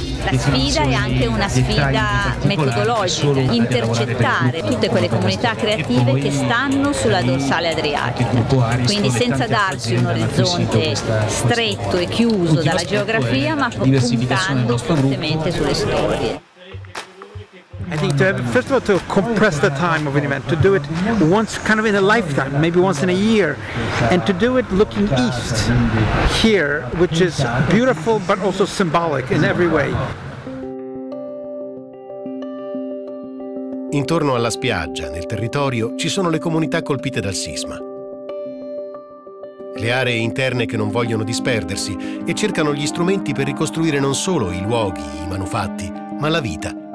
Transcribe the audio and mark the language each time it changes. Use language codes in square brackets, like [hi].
[it] La sfida è anche una sfida metodologica, intercettare tutte quelle comunità creative che stanno sulla dorsale adriatica. Quindi senza darci un orizzonte stretto e chiuso dalla geografia, ma puntando fortemente sulle storie. [en] I think first of all to compress the time of an event, to do it once kind of in a lifetime, maybe once in a year, and to do it looking east here, which is beautiful but also symbolic in every way. [it] Intorno alla spiaggia, nel territorio, ci sono le comunità colpite dal sisma. Le aree interne che non vogliono disperdersi e cercano gli strumenti per ricostruire non solo i luoghi, i manufatti, ma la vita.